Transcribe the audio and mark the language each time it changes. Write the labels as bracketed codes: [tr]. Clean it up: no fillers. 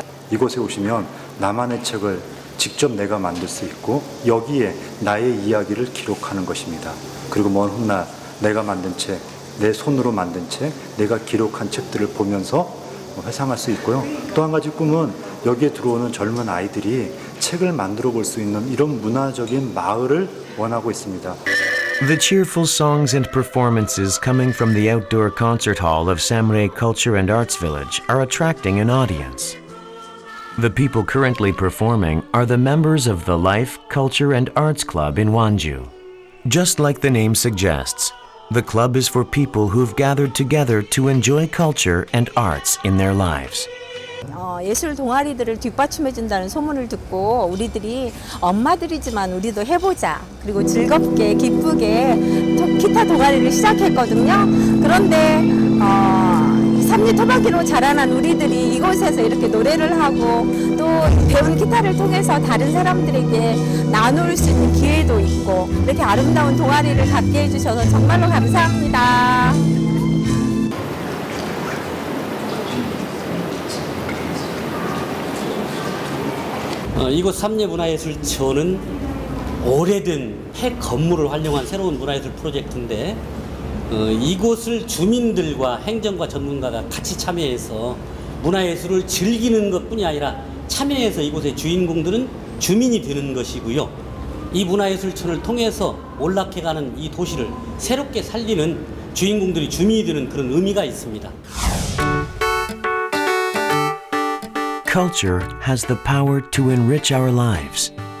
[ko] 이곳에 오시면 나만의 책을 직접 내가 만들 수 있고 여기에 나의 이야기를 기록하는 것입니다. 그리고 먼 훗날 내가 만든 책, 내 손으로 만든 책, 내가 기록한 책들을 보면서 회상할 수 있고요. 또 한 가지 꿈은 여기에 들어오는 젊은 아이들이 책을 만들어 볼 수 있는 이런 문화적인 마을을 원하고 있습니다. [en] The cheerful songs and performances coming from the outdoor concert hall of Samre Culture and Arts Village are attracting an audience. The people currently performing are the members of the Life, Culture and Arts Club in Wanju. Just like the name suggests, the club is for people who've gathered together to enjoy culture and arts in their lives. [ko] 예술 동아리들을 뒷받침해 준다는 소문을 듣고 우리들이 엄마들이지만 우리도 해보자 그리고 즐겁게 기쁘게 기타 동아리를 시작했거든요. 그런데 삼리토박이로 자라난 우리들이 이곳에서 이렇게 노래를 하고 또 배운 기타를 통해서 다른 사람들에게 나눌 수 있는 기회도 있고 이렇게 아름다운 동아리를 갖게 해주셔서 정말로 감사합니다. 이곳 삼리문화예술처는 오래된 핵 건물을 활용한 새로운 문화예술 프로젝트인데 이곳을 주민들과 행정과 전문가가 같이 참여해서 문화예술을 즐기는 것뿐이 아니라 참여해서 이곳의 주인공들은 주민이 되는 것이고요. 이 문화예술촌을 통해서 몰락해가는 이 도시를 새롭게 살리는 주인공들이 주민이 되는 그런 의미가 있습니다. [en] Culture has the power to enrich our lives.